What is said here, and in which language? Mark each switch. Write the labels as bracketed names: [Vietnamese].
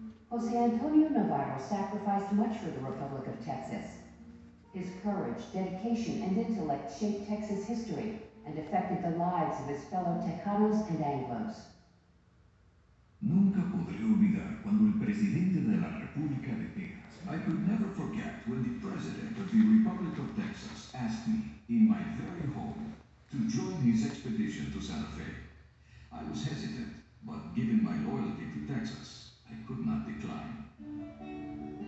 [English] Jose Antonio Navarro sacrificed much for the Republic of Texas. His courage, dedication, and intellect shaped Texas history and affected the lives of his fellow Tejanos and Anglos. [Spanish] Nunca podré olvidar cuando el presidente de la República de Texas. [English] I could never forget when the president of the Republic of Texas asked me, in my very home, to join his expedition to Santa Fe. I was hesitant, but given my loyalty to Texas, I could not decline.